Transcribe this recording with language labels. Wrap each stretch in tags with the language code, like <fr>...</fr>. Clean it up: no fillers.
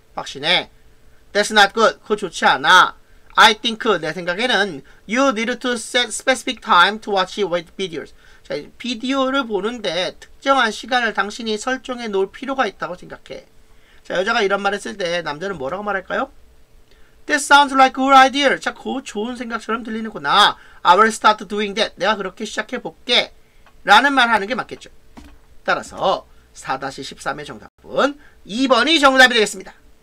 <ko>확신해.</ko> <en>That's not good.</en> <ko>그거 좋지 않아.</ko> <en>I think,</en> <ko>내 생각에는</ko> <en>you need to set specific time to watch with videos.</en> <ko>자, 비디오를 보는데 특정한 시간을 당신이 설정해 놓을 필요가 있다고 생각해. 자, 여자가 이런 말을 했을 때 남자는 뭐라고 말할까요?</ko> <en>That sounds like a good idea.</en> <ko>자, 그거 좋은 생각처럼 들리는구나.</ko> <en>I will start doing that.</en> <ko>내가 그렇게 시작해 볼게. 라는 말을 하는 게 맞겠죠. 따라서 4-13의 정답은 2번이 정답이 되겠습니다.</ko>